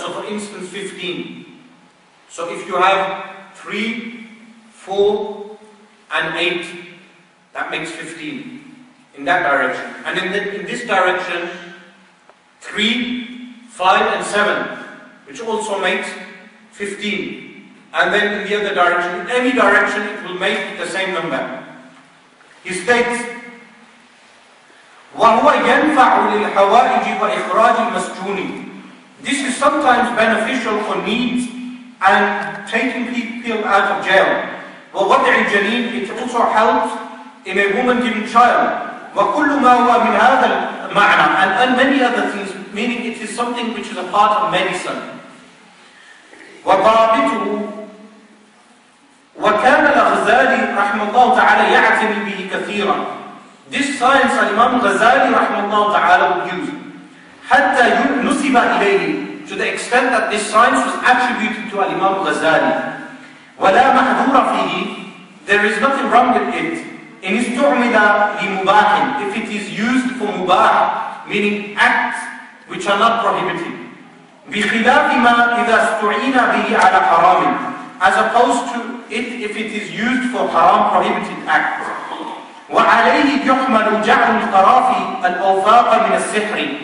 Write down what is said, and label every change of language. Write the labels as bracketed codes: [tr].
[en] So for instance, 15. So if you have 3, 4 and 8, that makes 15 in that direction. And in this direction, 3, 5 and 7, which also makes 15. and then in the other direction, in any direction, it will make the same number. He states, [ar] وَهُوَ يَنْفَعُ لِلْحَوَائِجِ وَإِخْرَاجِ الْمَسْجُونِ. [en] This is sometimes beneficial for needs and taking people out of jail. [ar] وَوَضْعِ الْجَنِينِ. [en] It also helps in a woman giving child. [ar] وَكُلُّ مَا هُوَ مِنْ هَذَا الْمَعْنَى. [en] And many other things, meaning it is something which is a part of medicine. [ar] وَضَابِتُهُ. وَكَانَ الْأَغْزَالِ رَحْمَ اللَّهُ تَعَالَى يَعْتَنِي بِهِ كَثِيرًا. [en] This science Imam Ghazali rahmatullah ta'ala would use. [ar] Hatta nusiba ilayhi, [en] to the extent that this science was attributed to Imam Ghazali. [ar] Wala mahdura fihi, [en] there is nothing wrong with it. [ar] In istu'mila li mubahin, [en] if it is used for mubah, meaning acts which are not prohibited. [ar] Bi khilafi ma idha istu'ina bihi ala haramin, [en] as opposed to it if it is used for haram prohibited acts. [ar] وعليه يحمل جعل القرافي الأوفاق من السحر.